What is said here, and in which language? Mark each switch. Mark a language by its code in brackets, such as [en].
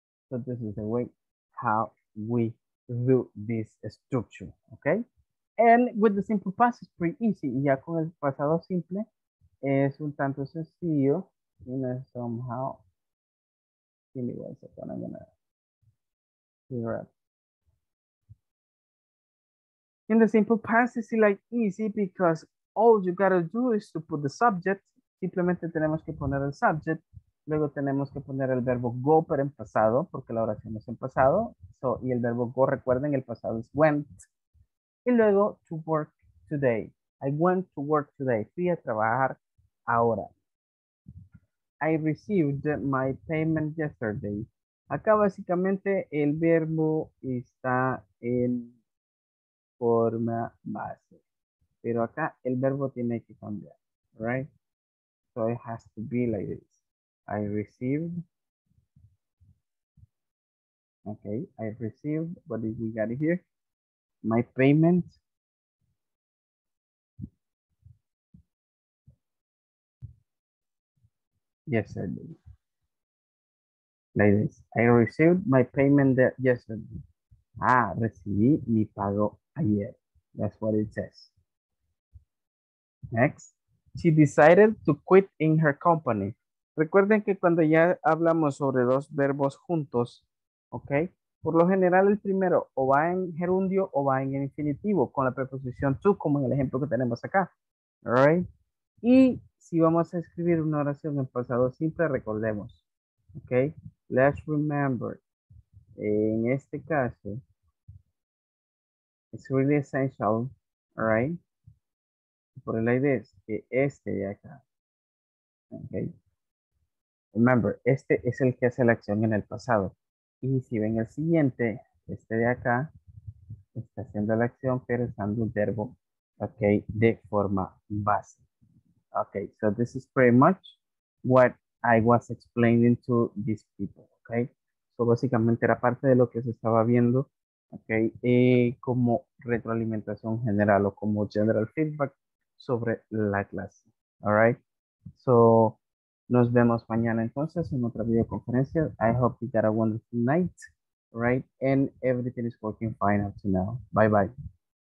[en] So this is the way how we do this structure, okay? And with the simple past, it's pretty easy. [es] Ya con el pasado simple, es un tanto sencillo. [en] You know, somehow, give me one second, I'm gonna figure out. In the simple past, it's like easy because all you gotta do is to put the subject. [es] Simplemente tenemos que poner el subject. Luego tenemos que poner el verbo go, pero en pasado, porque la oración es en pasado. So, y el verbo go, recuerden, el pasado es went. Y luego, [en] to work today. I went to work today. [es] Fui a trabajar ahora. [en] I received my payment yesterday. [es] Acá básicamente el verbo está en forma base. Pero acá el verbo tiene que cambiar, right? [en] So it has to be like this. I received, okay, I received, what did we got here? My payment yesterday. Like this, I received my payment yesterday. [es] Ah, recibí mi pago ayer. [en] That's what it says. Next, she decided to quit in her company. [es] Recuerden que cuando ya hablamos sobre dos verbos juntos, ¿ok? Por lo general el primero o va en gerundio o va en infinitivo con la preposición to, como en el ejemplo que tenemos acá, ¿right? Y si vamos a escribir una oración en pasado simple, recordemos, ¿ok? [en] Let's remember, [es] en este caso, [en] it's really essential, ¿right? [es] Por la idea es que este de acá, ¿ok? Remember, este es el que hace la acción en el pasado. Y si ven el siguiente, este de acá, está haciendo la acción, pero usando un verbo, ok, de forma base. [en] Ok, so this is pretty much what I was explaining to these people, ok. So [es] básicamente era parte de lo que se estaba viendo Okay, como retroalimentación general o como [en] general feedback [es] sobre la clase. [en] All right. [es] So, nos vemos mañana entonces en otra videoconferencia. [en] I hope you got a wonderful night, right? And everything is working fine up to now. Bye bye.